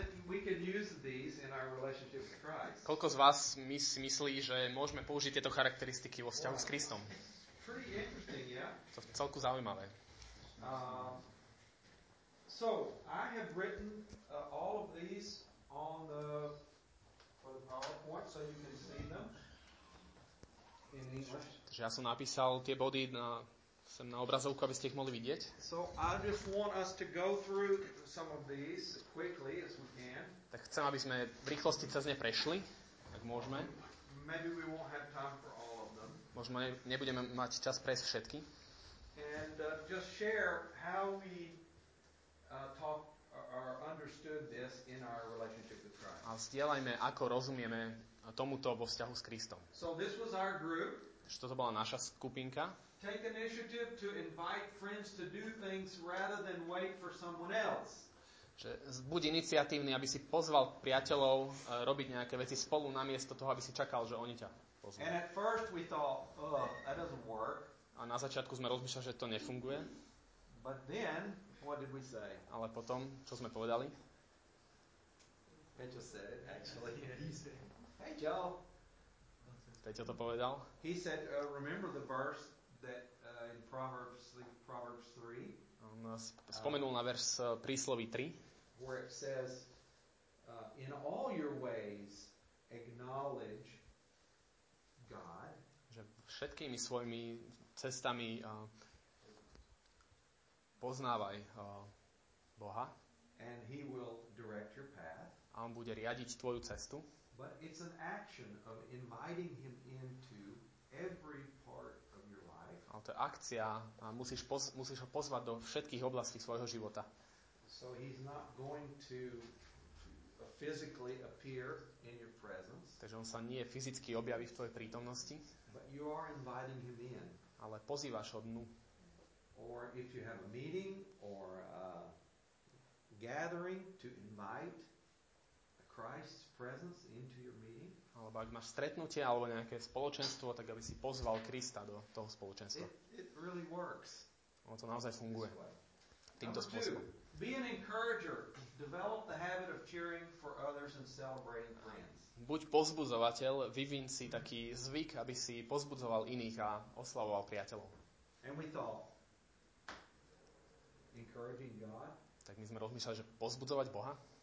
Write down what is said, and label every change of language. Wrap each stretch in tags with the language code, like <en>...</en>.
<en>We can use these in our relationship with Christ.</en> <sk>Koľko z vás myslí, že môžeme použiť tieto charakteristiky vo vzťahu s Kristom?</sk> <en>Pretty interesting, yeah?</en> <sk>To je celku zaujímavé.</sk> <en>So I have written all of these on the PowerPoint so you can see them in English.</en> <sk>Takže ja som napísal tie body sem na obrazovku, aby ste ich mohli vidieť.</sk> <en>So I just want us to go through some of these as quickly as we can.</en> <sk>Tak chcem, aby sme v rýchlosti cez ne prešli, ak môžeme.</sk> <en>Maybe we won't have time for all of them.</en> <sk>Možno nebudeme mať čas prejsť všetky.</sk> <en>And just share how we talk or understood this in our relationship with Christ.</en> <sk>A zdieľajme, ako rozumieme tomuto vo vzťahu s Kristom.</sk> <en>So this was our group.</en> <sk>že toto bola naša skupinka.</sk> <en>Take initiative to invite friends to do things rather than wait for someone else.</en> <sk>Že buď iniciatívny, aby si pozval priateľov robiť nejaké veci spolu namiesto toho, aby si čakal, že oni ťa pozvú.</sk> <en>And at first we thought, that doesn't work.</en> <sk>A na začiatku sme rozmýšľali, že to nefunguje.</sk> <en>But then, what did we say?</en> <sk>Ale potom, čo sme povedali?</sk> <en>Peťo said it, actually. Hey, Joe.</en> <sk>Peťo to povedal.</sk> <en>He said, remember the verse that in Proverbs 3?</en> <sk>On spomenul na verš prísloví 3.</sk> <en>Where it says, in all your ways acknowledge God.</en> <sk>Že všetkými svojimi cestami poznávaj Boha.</sk> <en>And he will direct your path.</en> <sk>A on bude riadiť tvoju cestu.</sk> <en>But it's an action of inviting him into every part.</en> <sk>Ale to je akcia a musíš ho pozvať do všetkých oblastí svojho života.</sk> <en>So he's not going to physically appear in your presence.</en> <sk>Takže on sa nie fyzicky objaví v tvojej prítomnosti.</sk> <en>But you are inviting him in.</en> <sk>Ale pozývaš ho dnu.</sk> <en>Or if you have a meeting or a gathering to invite Christ's presence into your meeting.</en> <sk>Alebo ak máš stretnutie alebo nejaké spoločenstvo, tak aby si pozval Krista do toho spoločenstva.</sk> <en>It really works.</en> <sk>Ono to naozaj funguje. Týmto spôsobom.</sk> <en>Be an encourager. Develop the habit of cheering for others and celebrating friends.</en> <sk>Buď pozbudzovateľ, vyvin si taký zvyk, aby si pozbudzoval iných a oslavoval priateľov.</sk> <en>And we thought, encouraging God?</en> <sk>Tak my sme rozmýšľali, že pozbudzovať Boha?</sk>